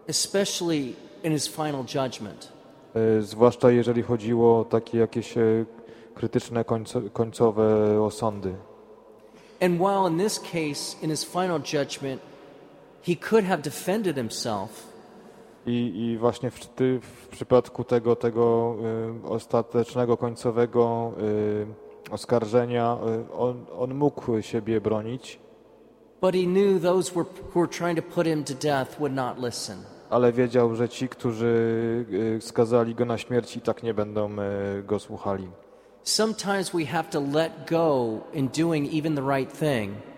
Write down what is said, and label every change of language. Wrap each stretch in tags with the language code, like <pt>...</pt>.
<en>Especially in his final judgment.</en> <pl>Zwłaszcza jeżeli chodziło o takie jakieś krytyczne końcowe osądy.</pl> <en>And while in this case, in his final judgment, he could have defended himself.</en> <pl>I właśnie w przypadku tego ostatecznego, końcowego oskarżenia, on mógł siebie bronić.</pl> <en>But he knew those who were trying to put him to death would not listen.</en> <pl>Ale wiedział, że ci, którzy skazali go na śmierć, i tak nie będą go słuchali.</pl> <en>Sometimes we have to let go in doing even the right thing.</en>